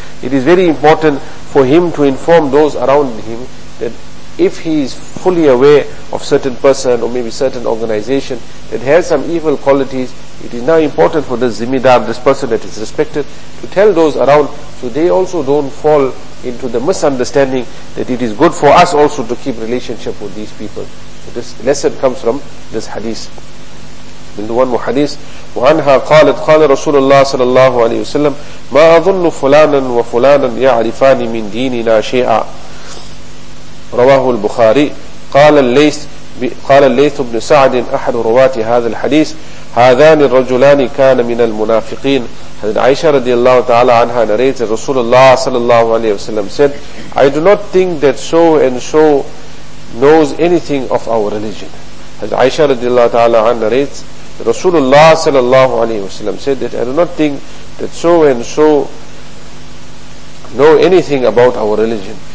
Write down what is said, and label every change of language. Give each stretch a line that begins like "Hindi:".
English: It is very important for him to inform those around him that if he is fully aware of certain person or maybe certain organization that has some evil qualities, it is now important for this zimidar, this person that is respected, to tell those around so they also don't fall into the misunderstanding that it is good for us also to keep relationship with these people. So this lesson comes from this hadith. In the one more hadith,
Arabic: وَعَنْهَا قَالَتْ قَالَ رَسُولُ اللَّهِ صَلَى اللَّهُ عَلَيْهِ وَسَلَّمْ مَا أَظُنُّ فُلَانًا وَفُلَانًا يَعْرِفَانِ مِنْ دِينِنَا شَيْئًا. رواه البخاري. قال الليث بن سعد أحد رواة هذا الحديث هذان الرجلان كان من المنافقين. حضرت عائشة رضي الله تعالى عنها
English: narrated
Arabic: رسول الله صلى الله عليه وسلم
English: said, I do not think that so and so knows anything of our religion.
Arabic: حضرت عائشة رضي الله تعالى عنها
English: narrates
Arabic: رسول الله صلى الله عليه وسلم
English: said that I do not think that so and so know anything about our religion.